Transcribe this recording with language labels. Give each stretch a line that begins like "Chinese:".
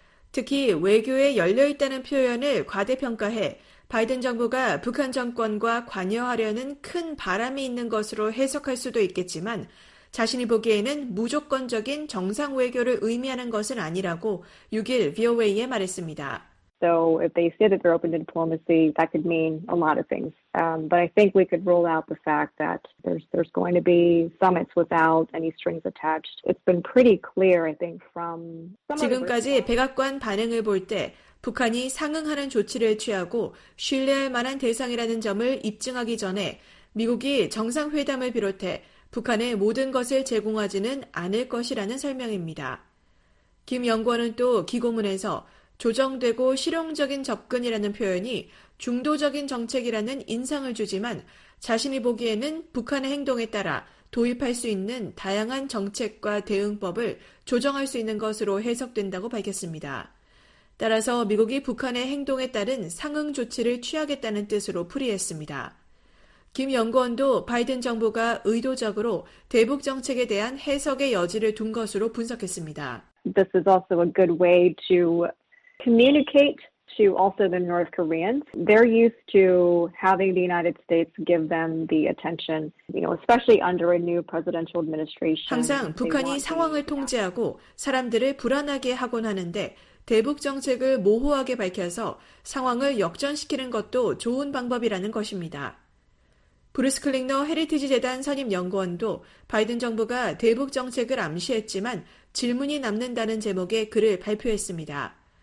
Korean: 특히 외교에 열려있다는 표현을 과대평가해 바이든 정부가 북한 정권과 관여하려는 큰 바람이 있는 것으로 해석할 수도 있겠지만 자신이 보기에는 무조건적인 정상 외교를 의미하는 것은 아니라고 6일 VOA에 말했습니다.
English: So if they say that they're open to diplomacy, that could mean a lot of things. But I think we could rule out the fact that there's going to be summits without any strings attached. It's been pretty clear, I think, from some of the
Korean: 지금까지 백악관 반응을 볼 때 북한이 상응하는 조치를 취하고 신뢰할 만한 대상이라는 점을 입증하기 전에 미국이 정상회담을 비롯해 북한의 모든 것을 제공하지는 않을 것이라는 설명입니다. 김 연구원은 또 기고문에서 조정되고 실용적인 접근이라는 표현이 중도적인 정책이라는 인상을 주지만 자신이 보기에는 북한의 행동에 따라 도입할 수 있는 다양한 정책과 대응법을 조정할 수 있는 것으로 해석된다고 밝혔습니다. 따라서 미국이 북한의 행동에 따른 상응 조치를 취하겠다는 뜻으로 풀이했습니다. 김 연구원도 바이든 정부가 의도적으로 대북 정책에 대한 해석의 여지를 둔 것으로 분석했습니다.
English: This is also a good way to communicate to also the North Koreans. They're used to having the United States give them the attention, you know, especially under a new presidential administration.
Korean: 항상 북한이 상황을 통제하고 사람들을 불안하게 하곤 하는데 대북 정책을 모호하게 밝혀서 상황을 역전시키는 것도 좋은 방법이라는 것입니다. 브루스 클링너 헤리티지 재단 선임 연구원도 바이든 정부가 대북 정책을 암시했지만 질문이 남는다는 제목의 글을 발표했습니다.